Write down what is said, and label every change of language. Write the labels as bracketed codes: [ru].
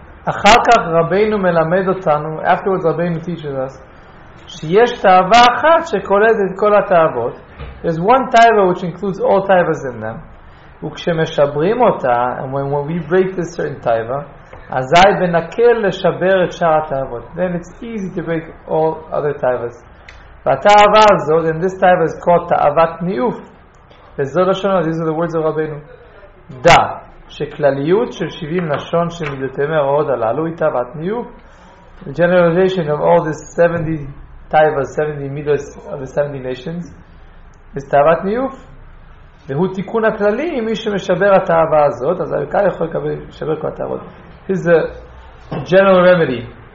[he] אחר כך רבינו מלמד אותנו, [en] afterwards רבינו teaches us, [he] שיש תאווה אחת שכוללת את כל התאוות. [en] There's one taiva which includes all taivas in them. [he] וכשמשברים אותה, [en] and when we break this certain taiva, [he] אזי בנקל לשבר את שאר התאוות. [en] Then it's easy to break all other taivas. [he] והתאווה הזאת, [en] and this taiva is called תאוות ניאוף. [he] וזו לשון, [en] these are the words of רבינו. [he] דע, שכלליות של 70 לשון שמדתם הרעות הללו היא תאוות ניאוף. [en] The generalization of all this 70 Taiva, 70 midos of the 70 nations, is Tavat Niyuf. [he] והוא תיקון הכללי, מי שמשבר התאווה הזאת, אז הרקל יכול לקבל, שבר כל התאוות. [en] This is a general remedy.